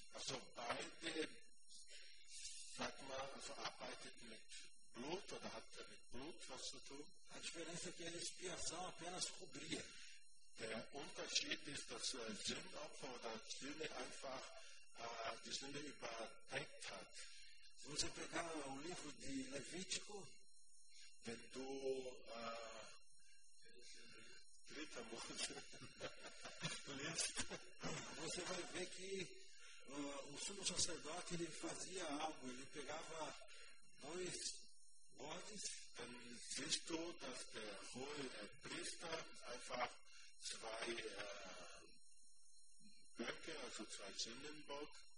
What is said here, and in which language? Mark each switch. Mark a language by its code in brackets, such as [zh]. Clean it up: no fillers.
[de] Also beide, sag mal, also arbeitet mit Blut oder hat mit Blut was zu tun. [pt] A diferença é que a expiação apenas cobria. [de] Der Unterschied ist, dass Sündopfer oder Sünde einfach die Sünde überdeckt hat. [pt] Se você pegar o livro de Levítico, tendo a 30 mãos, você vai ver que o sumo sacerdote ele fazia algo, ele pegava dois bodes. [de] Dann siehst du, dass der hohe Priester einfach zwei Böcke, also zwei Sündenbock.